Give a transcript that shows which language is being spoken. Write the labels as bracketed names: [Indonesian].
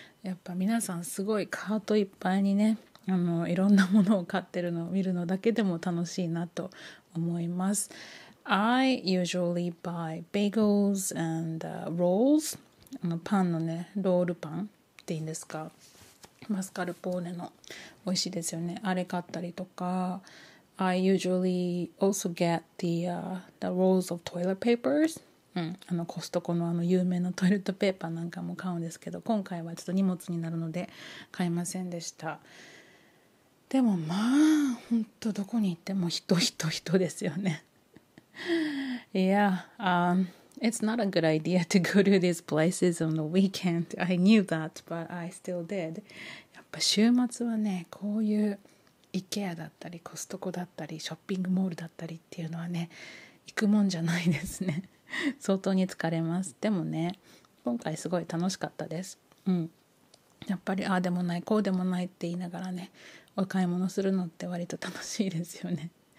[Japanese] やっぱ皆さんすごいカートいっぱいにね、いろんなものを買ってるのを見るのだけでも楽しいなと思います。 [English] I usually buy bagels and rolls. [Japanese] パンのね、ロールパンっていいんですか。マスカルポーネの。美味しいですよね。あれ買ったりとか。 [English] I usually also get the rolls of toilet papers. [Japanese] コストコのあの有名なトイレットペーパーなんかも買うんですけど、今回はちょっと荷物になるので買いませんでした。でもまあ本当どこに行っても人人人ですよね。 [English] Yeah, it's not a good idea to go to these places on the weekend. I knew that, but I still did. [Japanese] やっぱ週末はね、こういうイケアだったりコストコだったりショッピングモールだったりっていうのはね、行くもんじゃないですね。相当に疲れます。でもね、今回すごい楽しかったです。うん、やっぱりああでもないこうでもないって言いながらね、お買い物するのって割と楽しいですよね。